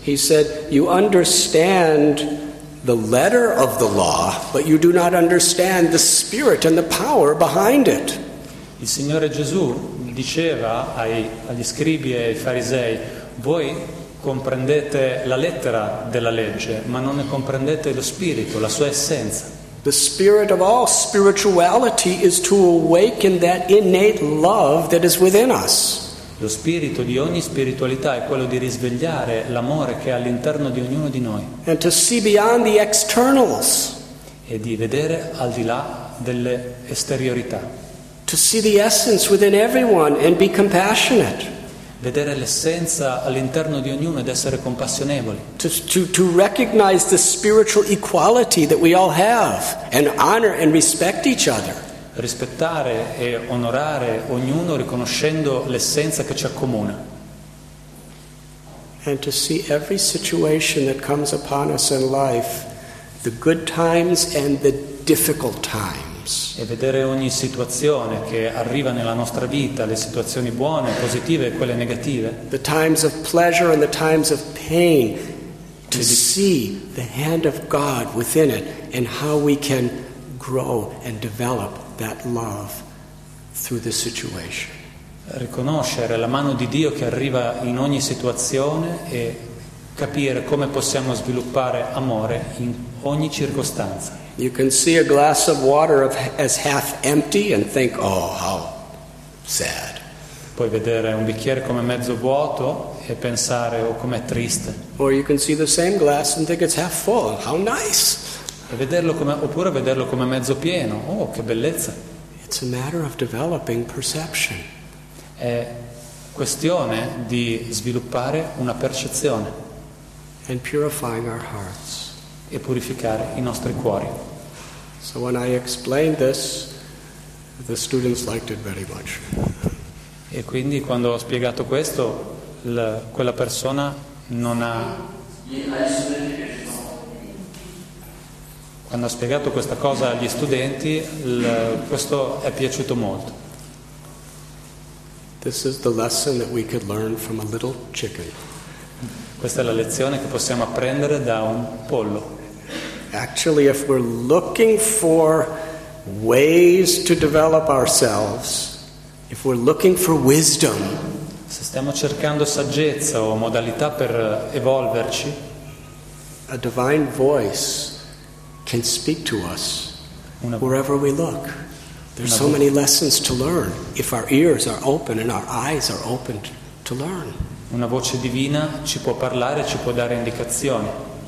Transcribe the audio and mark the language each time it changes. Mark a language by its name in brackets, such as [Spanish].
[English] He said, "You understand the letter of the law, but you do not understand the spirit and the power behind it." [Italian] Il Signore Gesù diceva agli scribi e ai farisei, voi comprendete la lettera della legge, ma non ne comprendete lo spirito, la sua essenza. [English] The spirit of all spirituality is to awaken that innate love that is within us. [Italian] Lo spirito di ogni spiritualità è quello di risvegliare l'amore che è all'interno di ognuno di noi. [English] And to see beyond the externals. [Italian] E di vedere al di là delle esteriorità. [English] To see the essence within everyone and be compassionate. [Italian] Vedere l'essenza all'interno di ognuno ed essere compassionevoli. [English] To recognize the spiritual equality that we all have and honor and respect each other. [Italian] Rispettare e onorare ognuno riconoscendo l'essenza che ci accomuna. [English] And to see every situation that comes upon us in life, the good times and the difficult times. [Italian] E vedere ogni situazione che arriva nella nostra vita, le situazioni buone, positive e quelle negative. [English] The times of pleasure and the times of pain, to see the hand of God within it and how we can grow and develop that love through the situation. [Italian] Riconoscere la mano di Dio che arriva in ogni situazione e capire come possiamo sviluppare amore in ogni circostanza. [English] You can see a glass of water as half empty and think, oh, how sad. [Italian] Puoi vedere un bicchiere come mezzo vuoto e pensare, oh, com'è triste. [English] Or you can see the same glass and think it's half full. How nice. [Italian] E vederlo come, oppure vederlo come mezzo pieno. Oh, che bellezza. [English] It's a matter of developing perception. [Italian] È questione di sviluppare una percezione. [English] And purifying our hearts. [Italian] E purificare i nostri cuori. [English] So when I explained this, the students liked it very much. [Italian] E quindi quando ho spiegato questo, quella persona non ha. Quando ho spiegato questa cosa agli studenti, questo è piaciuto molto. [English] This is the lesson that we could learn from a little chicken. [Italian] Questa è la lezione che possiamo apprendere da un pollo. [English] Actually, if we're looking for ways to develop ourselves, If we're looking for wisdom, [Italian] se stiamo cercando saggezza o modalità per evolverci, [English] a divine voice can speak to us wherever we look. There's so many lessons to learn if our ears are open and our eyes are open to learn. [Italian] Una voce divina ci può parlare, ci può dare indicazioni.